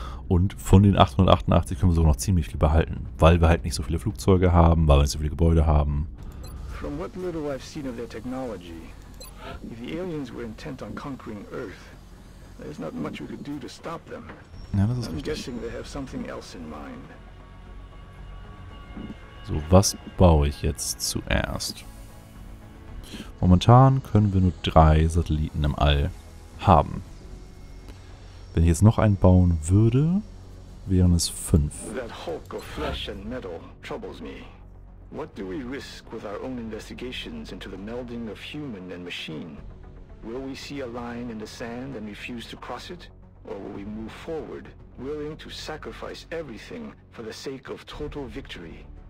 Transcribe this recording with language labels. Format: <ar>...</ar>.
<de>Und von den 888 können wir sogar noch ziemlich viel behalten, weil wir halt nicht so viele Flugzeuge haben, weil wir nicht so viele Gebäude haben.</de> <en>From what little I've seen of their technology. If the aliens were intent on conquering Earth, there's not much we could do to stop them.</en> <de>Ja, das ist richtig.</de> <en>I'm guessing they have something else in mind.</en> <de>So, was baue ich jetzt zuerst? Momentan können wir nur drei Satelliten im All haben. Wenn ich jetzt noch einen bauen würde, wären es fünf.</de> <en>That hulk of flesh and metal troubles me. What do we risk with our own investigations into the melding of human and machine? Will we see a line in the sand and refuse to cross it? Or will we move forward, willing to sacrifice everything for the sake of total victory?</en>